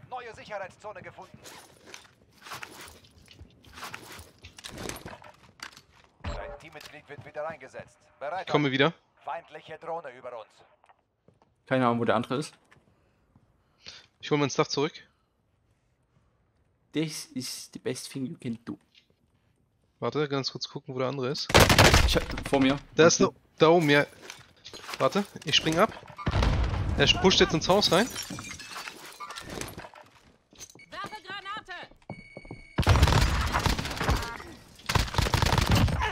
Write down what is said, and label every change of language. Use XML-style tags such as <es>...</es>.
<de>Neue Sicherheitszone gefunden. Ein Teammitglied wird wieder eingesetzt. Bereit. Ich komme wieder. Feindliche Drohne über uns. Keine Ahnung, wo der andere ist. Ich hol meinen Stuff zurück.</de> <en>This is the best thing you can do.</en> <de>Warte, ganz kurz gucken, wo der andere ist. Ich hab, vor mir. Da ist noch. Da oben, ja. Warte, ich spring ab. Er pusht jetzt ins Haus rein. Werfegranate!</de>